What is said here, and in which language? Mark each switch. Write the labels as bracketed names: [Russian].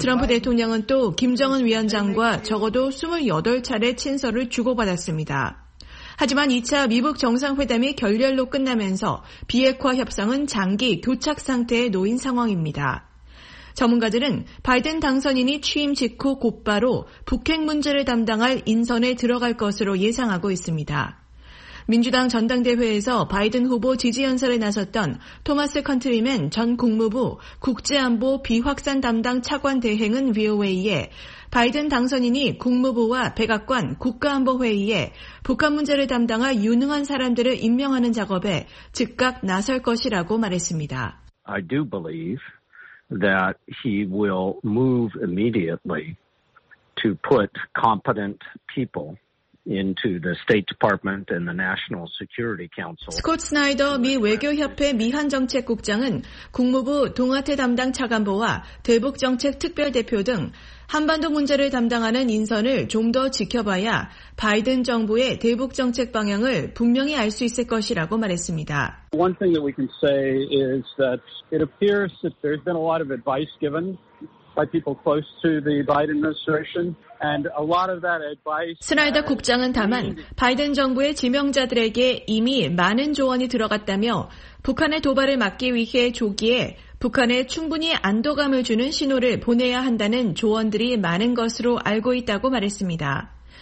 [Korean] 트럼프 대통령은 또 김정은 위원장과 적어도 28차례 친서를 주고받았습니다. 하지만 2차 미북 정상회담이 결렬로 끝나면서 비핵화 협상은 장기 교착 상태에 놓인 상황입니다. 전문가들은 바이든 당선인이 취임 직후 곧바로 북핵 문제를 담당할 인선에 들어갈 것으로 예상하고 있습니다. 민주당 전당대회에서 바이든 후보 지지 연설에 나섰던 토마스 컨트리맨 전 국무부 국제안보 비확산 담당 차관 대행은 VOA에 바이든 당선인이 국무부와 백악관 국가안보회의에 북한 문제를 담당할 유능한 사람들을 임명하는 작업에 즉각 나설 것이라고 말했습니다. [English] I do believe that he will move immediately to put competent people into the State Department and the National Security Council. [Korean] 스콧 스나이더 미 외교협회 미한정책국장은 국무부 동아태 담당 차관보와 대북정책특별대표 등 한반도 문제를 담당하는 인선을 좀 더 지켜봐야 바이든 정부의 대북 정책 방향을 분명히 알 수 있을 것이라고 말했습니다. [English] One thing that we can say is that it appears that there's been a lot of advice given by people close to the Biden administration. [Korean] 스나이더 국장은 다만 바이든 정부의 지명자들에게 이미 많은 조언이 들어갔다며 북한의 도발을 막기 위해 조기에 북한에 충분히 안도감을 주는 신호를 보내야 한다는 조언들이 많은 것으로 알고 있다고 말했습니다.